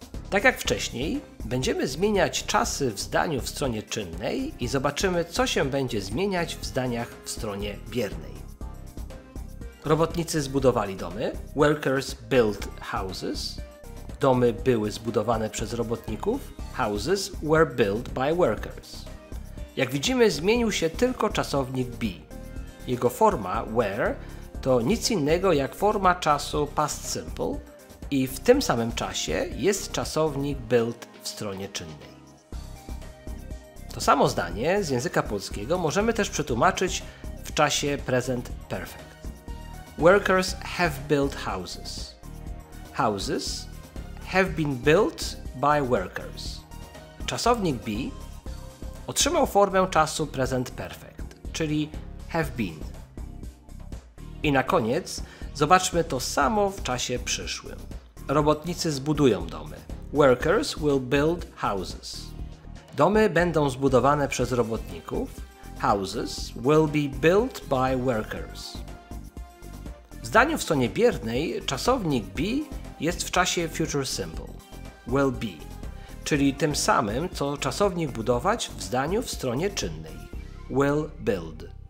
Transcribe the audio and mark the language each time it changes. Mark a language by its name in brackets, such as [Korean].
[Polish] Tak jak wcześniej, będziemy zmieniać czasy w zdaniu w stronie czynnej i zobaczymy, co się będzie zmieniać w zdaniach w stronie biernej. Robotnicy zbudowali domy. [English] Workers built houses. [Polish] Domy były zbudowane przez robotników. [English] Houses were built by workers. [Polish] Jak widzimy, zmienił się tylko czasownik be. Jego forma were to nic innego jak forma czasu past simple i w tym samym czasie jest czasownik built w stronie czynnej. To samo zdanie z języka polskiego możemy też przetłumaczyć w czasie present perfect. [English] Workers have built houses. Houses have been built by workers. [Polish] Czasownik be otrzymał formę czasu present perfect, czyli have been. I na koniec zobaczmy to samo w czasie przyszłym. Robotnicy zbudują domy. [English] Workers will build houses. [Polish] Domy będą zbudowane przez robotników. [English] Houses will be built by workers. [Polish] W zdaniu w stronie biernej czasownik be jest w czasie future simple, will be, czyli tym samym, co czasownik budować w zdaniu w stronie czynnej, will build.